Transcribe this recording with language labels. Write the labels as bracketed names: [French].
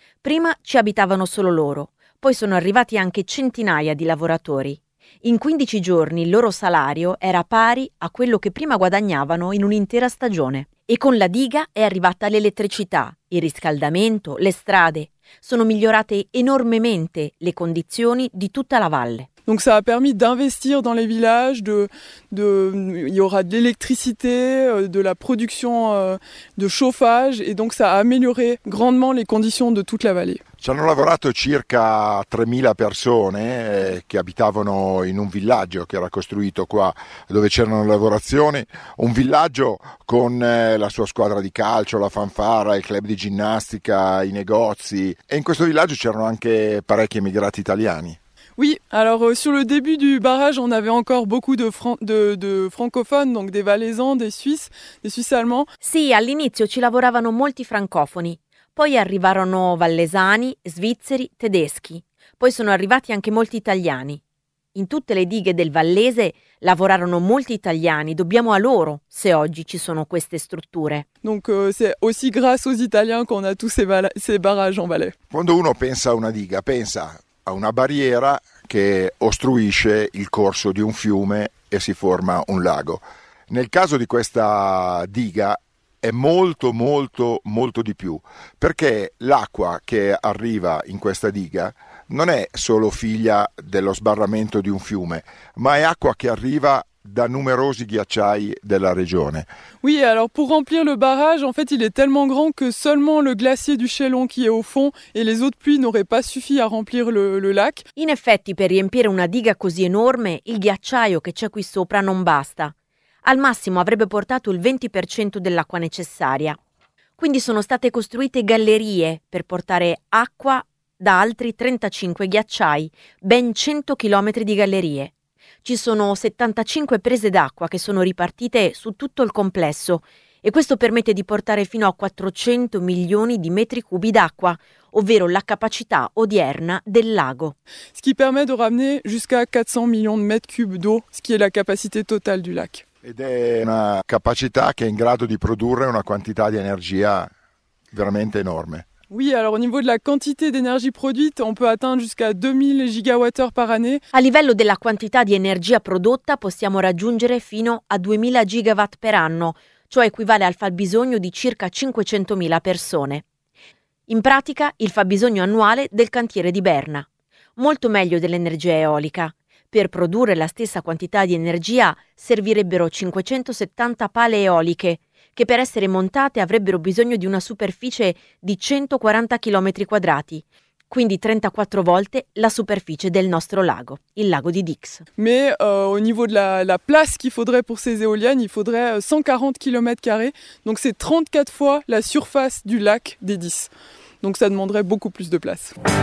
[Italian] Prima ci abitavano solo loro. Poi sono arrivati anche centinaia di lavoratori. In 15 giorni il loro salario era pari a quello che prima guadagnavano in un'intera stagione. E con la diga è arrivata l'elettricità, il riscaldamento, le strade. Sono migliorate enormemente le condizioni di tutta la valle. [French] Donc ça a permis d'investir dans les villages, il y aura de l'électricité, de la production de chauffage, et donc ça a amélioré grandement les conditions de toute la vallée. [Italian] Ci hanno lavorato circa 3.000 persone che abitavano in un villaggio che era costruito qua, dove c'erano lavorazioni, un villaggio con la sua squadra di calcio, la fanfara, il club di ginnastica, i negozi, e in questo villaggio c'erano anche parecchi emigrati italiani. [French] Oui, alors sur le début du barrage, on avait encore beaucoup de francophones, donc des valaisans, des suisses, des suisses allemands. [Italian] Sì, all'inizio ci lavoravano molti francofoni. Poi arrivarono vallesani, svizzeri, tedeschi. Poi sono arrivati anche molti italiani. In tutte le dighe del Vallese lavorarono molti italiani. Dobbiamo a loro se oggi ci sono queste strutture. [French] Donc c'est aussi grâce aux Italiens qu'on a tous ces barrages en Valais. [Italian] Quando uno pensa a una diga, pensa a una barriera che ostruisce il corso di un fiume e si forma un lago. Nel caso di questa diga è molto molto molto di più, perché l'acqua che arriva in questa diga non è solo figlia dello sbarramento di un fiume, ma è acqua che arriva da numerosi ghiacciai della regione. [French] Oui, alors pour remplir le barrage, en fait, il est tellement grand que seulement le glacier du Chelon qui est au fond et les eaux de pluie n'auraient pas suffi à remplir le lac. [Italian] In effetti, per riempire una diga così enorme, il ghiacciaio che c'è qui sopra non basta. Al massimo avrebbe portato il 20% dell'acqua necessaria. Quindi sono state costruite gallerie per portare acqua da altri 35 ghiacciai, ben 100 km di gallerie. Ci sono 75 prese d'acqua che sono ripartite su tutto il complesso e questo permette di portare fino a 400 milioni di metri cubi d'acqua, ovvero la capacità odierna del lago. [French] Ce qui permet de ramener jusqu'à 400 [Italian] milioni di metri cubi [French] d'eau, ce qui est la capacité totale du lac. [Italian] Ed è una capacità che è in grado di produrre una quantità di energia veramente enorme. [French] Oui, alors au niveau de la quantité d'énergie produite, on peut atteindre jusqu'à 2000 gigawattheures par année. [Italian] A livello della quantità di energia prodotta possiamo raggiungere fino a 2000 gigawatt per anno, cioè equivale al fabbisogno di circa 500.000 persone. In pratica, il fabbisogno annuale del cantiere di Berna. Molto meglio dell'energia eolica. Per produrre la stessa quantità di energia servirebbero 570 pale eoliche, che per essere montate avrebbero bisogno di una superficie di 140 km quadrati, quindi 34 volte la superficie del nostro lago, il lago di Dix. [French] Ma au niveau de la place qu'il faudrait pour ces éoliennes, il faudrait 140 km², donc c'est 34 fois la surface du lac des Dix. Donc ça demanderait beaucoup plus de place.